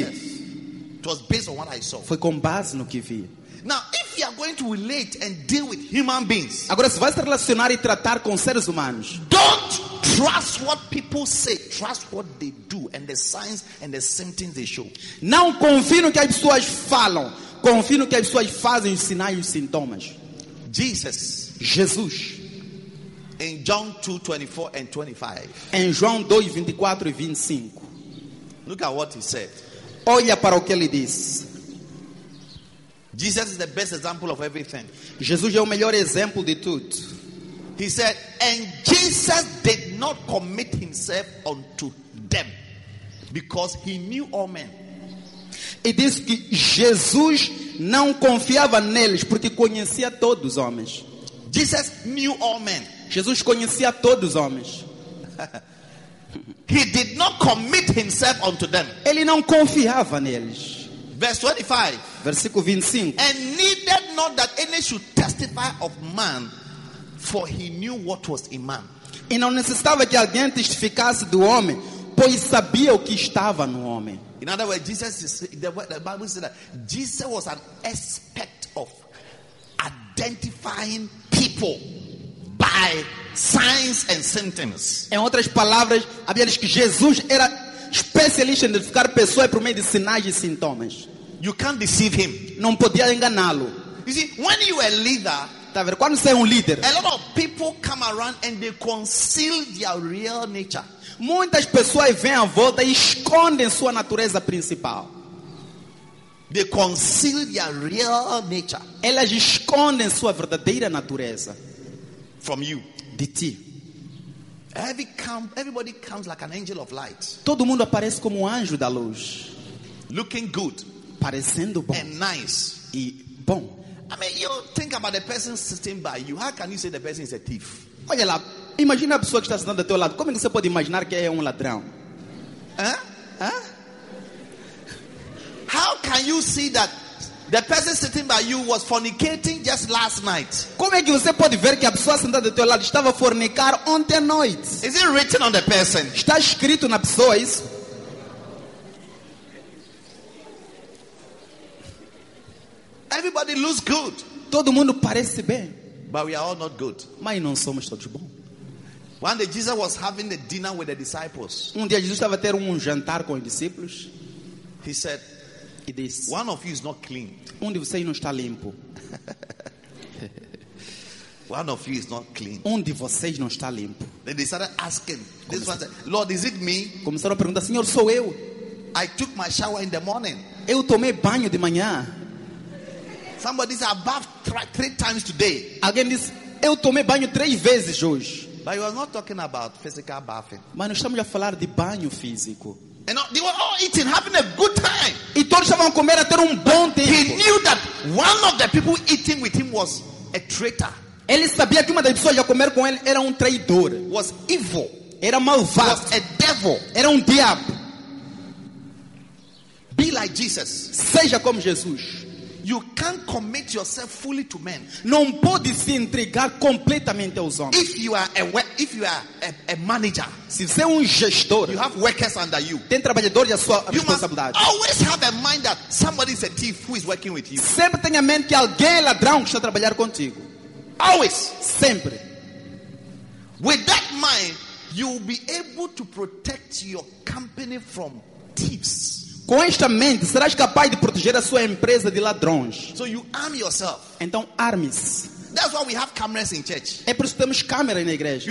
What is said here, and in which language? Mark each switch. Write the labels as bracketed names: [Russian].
[English] Yes. It was based on what I saw. [Portuguese] Foi com base no que vi. [English] Now, if you are going to relate and deal with human beings, [Portuguese] agora se vai se relacionar e tratar com seres humanos, [English] don't trust what people say. Trust what they do and the signs and the symptoms they show. [Portuguese] Não confie no que as pessoas falam. Confie no que as pessoas fazem, os sinais e os sintomas. [English] Jesus. [Portuguese] Jesus. [English] In John 2:24 and 25. [Portuguese] Em João 2:24 e 25. [English] Look at what he said. [Portuguese] Olha para o que ele diz. [English] Jesus is the best example of everything. [Portuguese] Jesus é o melhor exemplo de tudo. [English] He said, "And Jesus did not commit himself unto them, because he knew all men." [Portuguese] E diz que Jesus não confiava neles porque conhecia todos os homens. [English] Jesus knew all men. [Portuguese] Jesus conhecia todos os homens. [English] He did not commit himself unto them. [Portuguese] Ele não confiava neles. [English] Verse 25. [Portuguese] Versículo 25. [English] And needed not that any should testify of man, for he knew what was in man. [Portuguese] E não necessitava que alguém testificasse do homem, pois sabia o que estava no homem. [English] In other words, Jesus is, the Bible says that Jesus was an expert of identifying people. By signs and symptoms. [Portuguese] Em outras palavras, a Bíblia diz que Jesus era especialista em identificar pessoas por meio de sinais e sintomas. [English] You can't deceive him. [Portuguese] Não podia enganá-lo. [English] You see, when you are a leader, [Portuguese] caráter, quando você é líder. [English] A lot of people come around and they conceal their real nature. [Portuguese] Muitas pessoas vêm à volta e escondem sua natureza principal. [English] They conceal their real nature. [Portuguese] Elas escondem sua verdadeira natureza. [English] From you. [Portuguese] De ti. [English] Everybody comes like an angel of light. [Portuguese] Todo mundo aparece como anjo da luz. [English] Looking good. [Portuguese] Parecendo bom. [English] And nice. [Portuguese] E bom. [English] I mean, you think about the person sitting by you. How can you say the person is a thief? [Portuguese] Olha lá. Imagina a pessoa que está sentada ao teu lado. Como você pode imaginar que é ladrão? [English] How can you see that the person sitting by you was fornicating just last night? [Portuguese] Como é que você pode ver que a pessoa sentada ao teu lado estava a fornicar ontem à noite? [English] Is it written on the person? [Portuguese] Está escrito na pessoa isso? [English] Everybody looks good. [Portuguese] Todo mundo parece bem. [English] But we are all not good. [Portuguese] Mas não somos todos bons. [English] One day Jesus was having a dinner with the disciples. [Portuguese] Dia Jesus estava a ter jantar com os discípulos. [English] He said, [Portuguese] e disse, [English] "One of you is not clean." [Portuguese] De vocês não está limpo. [English] One of you is not clean. [Portuguese] De vocês não está limpo. [English] Then they started asking. This one said, "Lord, is it me?" [Portuguese] Começaram a perguntar, "Senhor, sou eu?" [English] "I took my shower in the morning." [Portuguese] Eu tomei banho de manhã. [English] Somebody said, "I bathed three times today." Again, this, [Portuguese] "Eu tomei banho três vezes hoje." [English] But you are not talking about physical bathing. [Portuguese] Mas não estamos a falar de banho físico. [English] And they were all eating, having a good time. [Portuguese] E todos estavam a comer, a ter bom tempo. [English] He knew that one of the people eating with him was a traitor. [Portuguese] Ele sabia que uma das pessoas a comer com ele era traidor. [English] Was evil. [Portuguese] Era malvado. [English] Was a devil. [Portuguese] Era diabo. [English] Be like Jesus. [Portuguese] Seja como Jesus. [English] You can't commit yourself fully to men. [Portuguese] Não pode se entregar completamente aos homens. [English] If you are a manager, [Portuguese] se você é gestor, [English] you have workers under you. [Portuguese] Tem trabalhadores à sua responsabilidade. [English] You must always have a mind that somebody is a thief who is working with you. [Portuguese] Sempre tenha em mente que alguém é ladrão que está a trabalhar contigo. [English] Always, [Portuguese] sempre. [English] With that mind, you will be able to protect your company from thieves. [Portuguese] Com esta mente, serás capaz de proteger a sua empresa de ladrões. [English] So you arm yourself. [Portuguese] Então, arme-se. [English] That's why we have cameras in church. [Portuguese] É por isso que temos câmera na igreja.